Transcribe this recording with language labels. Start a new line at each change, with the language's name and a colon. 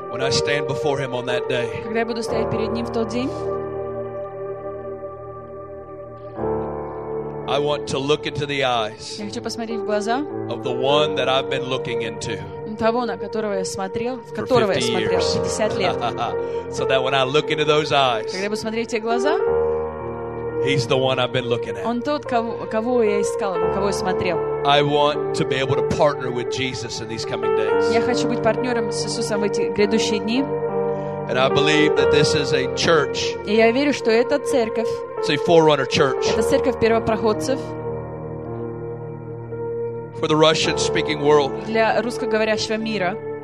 English: Stand before him on that day.
Russian: Когда я буду стоять перед ним в тот день,
English: I want to look into the eyes.
Russian: Я хочу посмотреть в глаза.
English: Of the one that I've been looking into.
Russian: Того, на которого я смотрел, в которого я смотрел 50 лет.
English: So that when I look into those eyes.
Russian: Когда я буду смотреть в те глаза,
English: He's the one I've been looking at.
Russian: Он тот, кого я искал, кого я смотрел.
English: I want to be able to partner with Jesus in these coming days.
Russian: Я хочу быть партнёром с Иисусом в эти грядущие дни.
English: And I believe that this is a church.
Russian: И я верю, что это церковь.
English: It's a forerunner church.
Russian: Это церковь первопроходцев.
English: For the Russian-speaking world.
Russian: Для русскоговорящего мира.